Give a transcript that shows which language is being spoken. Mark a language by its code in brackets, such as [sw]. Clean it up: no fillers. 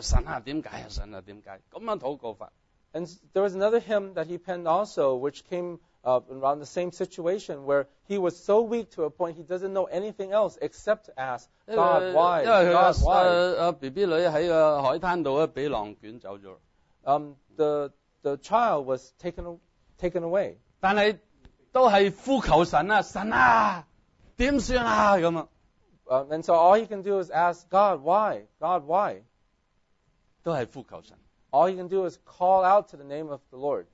[zh] 他就是祷告的时候不懂得说别的东西，神啊，为什么？神啊，为什么？这样祷告法。 [en] And there was another hymn that he penned also, which came around the same situation, where he was so weak to a point he doesn't know anything else except to ask, God, why? [zh] BB女在海滩被浪卷走了。 [en] The child was taken away. [zh] 但是都是呼求神啊，神啊，怎么办啊？这样。 [en] And so all he can do is ask God, why? God, why? [zh] 都是呼求神。 [en] All he can do is call out to the name of the Lord.